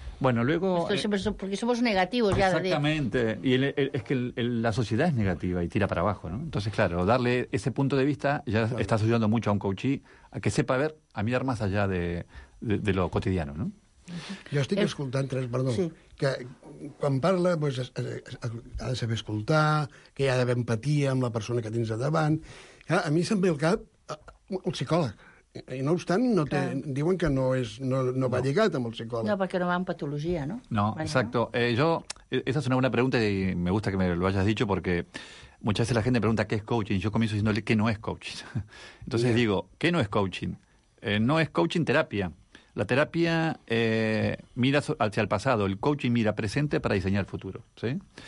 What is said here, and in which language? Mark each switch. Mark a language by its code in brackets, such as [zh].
[es] Bueno, luego... Porque somos negativos ya. Exactamente, y es que la sociedad es negativa y tira para abajo, ¿no? Entonces, claro, darle ese punto de vista ya claro. está ayudando mucho a un coachee a que sepa ver, a mirar más allá de lo cotidiano, ¿no? [ca] Jo estic escoltant, Teres, perdó, sí. que quan parla pues, ha de saber escoltar, que hi ha d'haver empatia amb la persona que tens davant. A mi se'm ve al cap el psicòleg. I no obstant, no té, diuen que no va lligat amb el psicòleg. No, perquè no va amb patologia, no? [es] No, exacto. Esa es una buena pregunta y me gusta que me lo hayas dicho porque muchas veces la gente pregunta qué es coaching. Yo comienzo diciéndole que no es coaching. Entonces yeah. digo, ¿qué no es coaching? No es coaching terapia. La terapia mira hacia el pasado, el coaching mira presente para diseñar el futuro, ¿sí?